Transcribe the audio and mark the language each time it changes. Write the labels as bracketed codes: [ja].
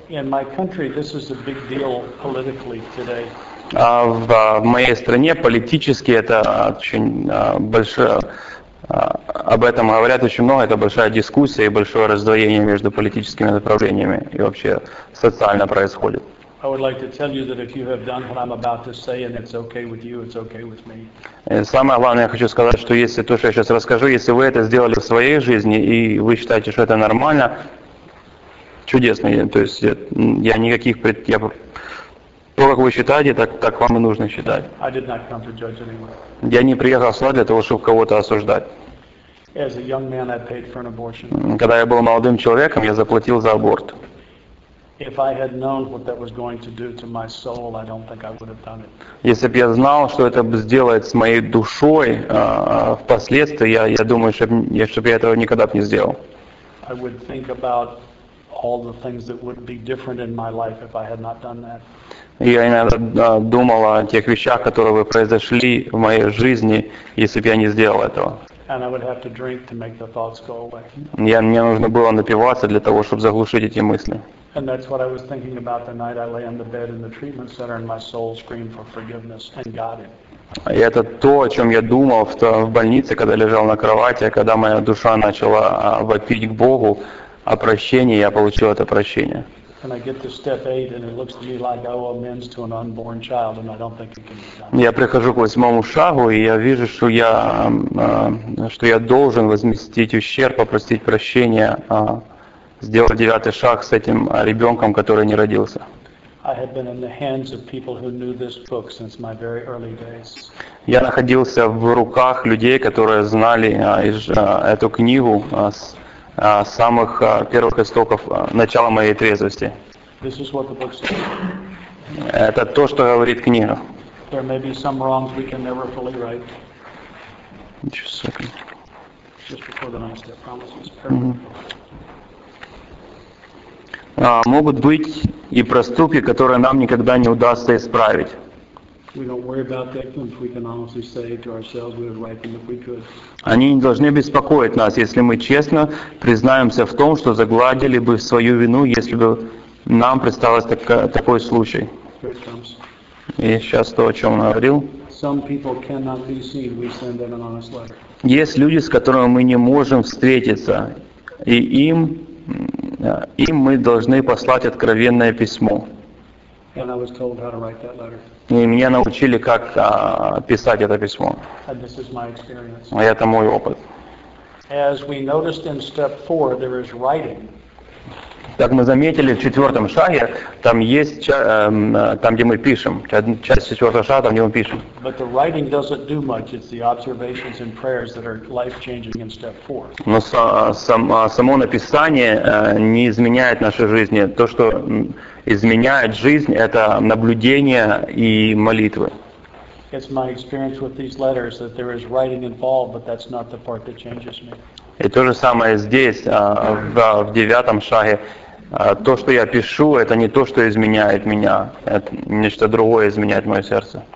[en] In my country, this is a big deal politically today. [ru] В моей стране политически это очень большое, об этом говорят очень много, это большая дискуссия и большое раздвоение между политическими направлениями и вообще социально происходит. [en] I would like to tell you that if you have done what I'm about to say and it's okay with you, it's okay with me. [ru] Самое главное, я хочу сказать, что если то, что я сейчас расскажу, если вы это сделали в своей жизни и вы считаете, что это нормально, чудесно, то есть я никаких пред... я... То, как вы считаете, так вам и нужно считать. [en] I did not come to judge anyone. [ru] Я не приехал сюда для того, чтобы кого-то осуждать. [en] As a young man, I paid for an abortion. [ru] Когда я был молодым человеком, я заплатил за аборт. Если бы я знал, что это сделает с моей душой впоследствии, я думаю, чтобы я этого никогда бы не сделал. [en] I would think about all the things that would be different in my life if I had not done that. [ru] Я иногда думал о тех вещах, которые бы произошли в моей жизни, если бы я не сделал этого. [en] And I would have to drink to make the thoughts go away. [ru] Мне нужно было напиваться для того, чтобы заглушить эти мысли. [en] And that's what I was thinking about the night I lay on the bed in the treatment center and my soul screamed for forgiveness and got it. [ru] И это то, о чем я думал в больнице, когда лежал на кровати, когда моя душа начала вопить к Богу о прощении, я получил это прощение. [en] And I get to step 8 and it looks to me like I owe amends to an unborn child and I don't think it can be done. [ru] Я прихожу к восьмому шагу и я вижу, что я должен возместить ущерб, попросить прощения, сделать девятый шаг с этим ребенком, который не родился. [en] I have been in the hands of people who knew this book since my very early days. [ru] Я находился в руках людей, которые знали эту книгу с самых первых истоков начала моей трезвости. [en] This is what the book says. [ru] Это то, что говорит книга. [en] There may be some wrongs we can never fully right. Just a second. Just before the night, I promise it's perfect. [ru] Могут быть и проступки, которые нам никогда не удастся исправить. [en] We don't worry about that if we can honestly say to ourselves we would write them if we could. [ru] Они не должны беспокоить нас, если мы честно признаемся в том, что загладили бы свою вину, если бы нам представился такой случай. [en] Here it comes. [ru] И сейчас то, о чем он говорил. [en] Some people cannot be seen. We send them an honest letter. [ru] Есть люди, с которыми мы не можем встретиться, и им мы должны послать откровенное письмо. [en] And I was told how to write that letter. [ru] И меня научили, как писать это письмо. [en] And this is my experience. [ru] И это мой опыт. [en] As we noticed in step 4, there is writing. [ru] Как мы заметили в четвертом шаге, там есть там, где мы пишем. Часть четвертого шага, там, где мы пишем. [en] But the writing doesn't do much. It's the observations and prayers that are life-changing in step 4. [ru] Но само написание не изменяет нашей жизни. То, что изменяет жизнь, это наблюдение и молитвы. [en] It's my experience with these letters that there is writing involved, but that's not the part that changes me. [ru] И то же самое здесь, в девятом шаге. То, что я пишу, это не то, что изменяет меня. Это нечто другое изменяет мое сердце.